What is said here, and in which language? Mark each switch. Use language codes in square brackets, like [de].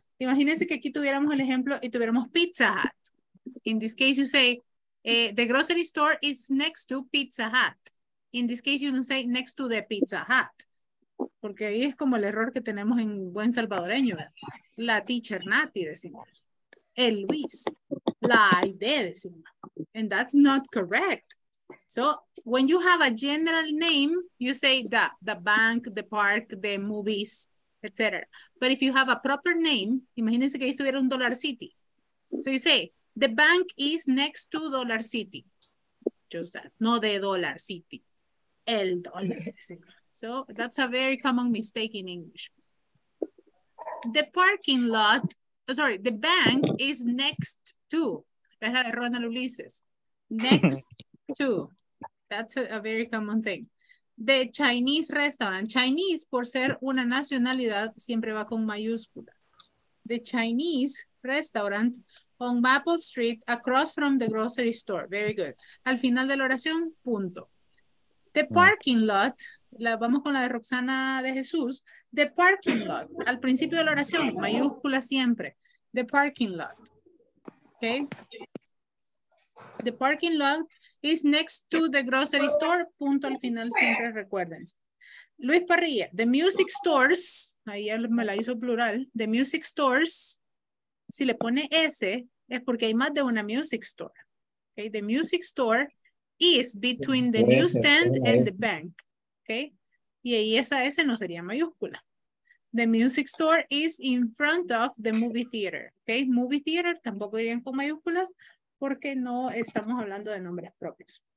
[es] Imagínense que aquí tuviéramos el ejemplo y tuviéramos Pizza Hut. [en] In this case you say the grocery store is next to Pizza Hut. In this case you don't say next to the Pizza Hut. [es] Porque ahí es como el error que tenemos en buen salvadoreño. La teacher Nati, decimos. El Luis. La idea, decimos. [en] And that's not correct. So, when you have a general name, you say the bank, the park, the movies, etc. But if you have a proper name, [es] imagínense que ahí estuviera un Dollar City. [en] So you say, the bank is next to Dollar City. Just that. [es] No de Dollar City. El dólar, decimos. [en] So that's a very common mistake in English. The parking lot, sorry, the bank is next to. [es] Es la de Ronald Ulises. Next to. [en] That's a very common thing. The Chinese restaurant. [es] Chinese, por ser una nacionalidad, siempre va con mayúscula. [en] The Chinese restaurant on Maple Street across from the grocery store. Very good. [es] Al final de la oración, punto. [en] The parking lot. [es] Vamos con la de Roxana de Jesús. The parking lot. Al principio de la oración, mayúscula siempre. [en] The parking lot. Okay. The parking lot is next to the grocery store. [es] Punto al final siempre, recuerden. Luis Parrilla. [en] The music stores. [es] Ahí ya me la hizo plural. The music stores. Si le pone S, es porque hay más de una music store. [en] Okay. The music store is between the newsstand and the bank. Okay. [es] Y ahí esa S no sería mayúscula. [en] The music store is in front of the movie theater. Okay. [es] Movie theater tampoco irían con mayúsculas porque no estamos hablando de nombres propios.